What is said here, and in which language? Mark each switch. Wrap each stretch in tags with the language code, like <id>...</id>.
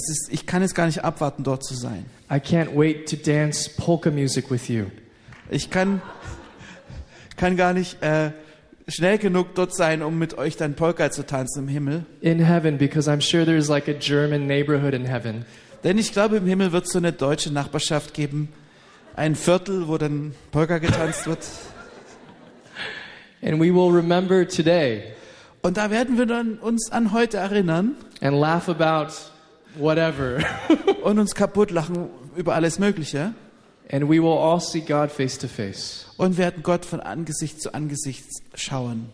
<de>Ich kann es gar nicht abwarten, dort zu sein.</de> <en>I can't wait to dance polka music with you.</en> <de>Ich kann gar nicht schnell genug dort sein, um mit euch dann Polka zu tanzen im Himmel.</de> <en>In heaven, because I'm sure there's like a German neighborhood in heaven.</en> <de>Denn ich glaube, im Himmel wird es so eine deutsche Nachbarschaft geben. Ein Viertel, wo dann Polka getanzt wird.</de> <en>And we will remember today.</en> <de>Und da werden wir dann uns an heute erinnern.</de> <en>And laugh about whatever.</en> <de>Und uns kaputt lachen über alles Mögliche.</de> <en>And we will all see God face to face.</en> <de>Und werden Gott von Angesicht zu Angesicht schauen.</de>